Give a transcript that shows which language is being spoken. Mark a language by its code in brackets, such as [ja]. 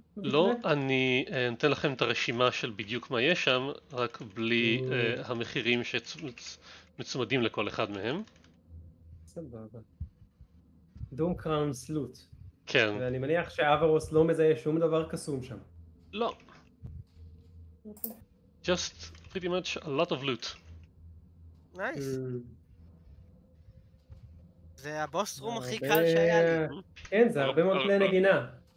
[he] לא, אני אתן לכם את הרשימה של בדיוק מה יש שם, רק בלי המחירים שמצומדים לכל אחד מהם. דום קראון סלוט. כן. ואני מניח שאברוס לא מזהה שום דבר קסום שם. לא. [en] Just pretty much a lot of loot. Nice. [he] זה הבוס רום הכי קל שהיה לי. כן, זה הרבה מאוד כלי נגינה.